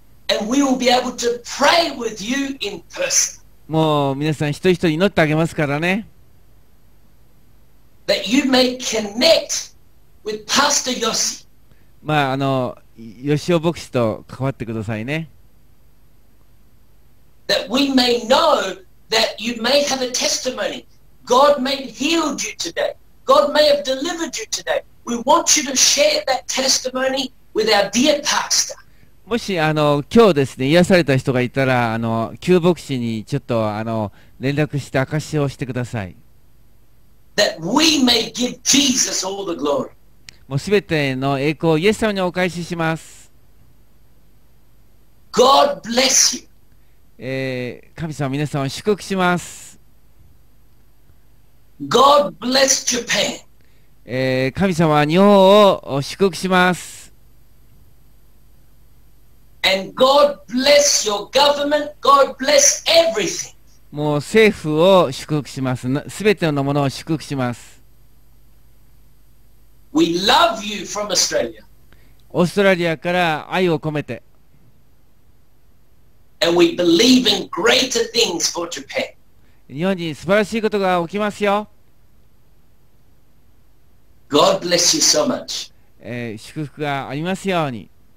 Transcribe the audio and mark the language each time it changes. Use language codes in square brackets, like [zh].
[en] and we will be able to pray with you in person. [ja] もう皆さん一人一人祈ってあげますからね [en] that you may connect with Pastor Yoshi. [ja] まあ、ヨシオ牧師と関わってくださいね [en] That we may know that you may have a testimony. God may have healed you today. God may have delivered you today. We want you to share that testimony with our dear pastor. [ja] もし今日ですね癒された人がいたら旧牧師にちょっと連絡して証しをしてください。 [en] That we may give Jesus all the glory. [ja] もうすべての栄光をイエス様にお返しします。 [en] God bless you. [ja] 神様、皆さんを祝福します。 [en] God bless Japan. [ja] 神様は日本を祝福します。 [en] And God bless your government. God bless everything. [ja] もう政府を祝福します。すべてのものを祝福します。 [en] We love you from Australia. [ja] オーストラリアから愛を込めて。 [en] And we believe in greater things for Japan. [ja] 日本に素晴らしいことが起きますよ。 [en] God bless you so much. [ja] 祝福がありますように。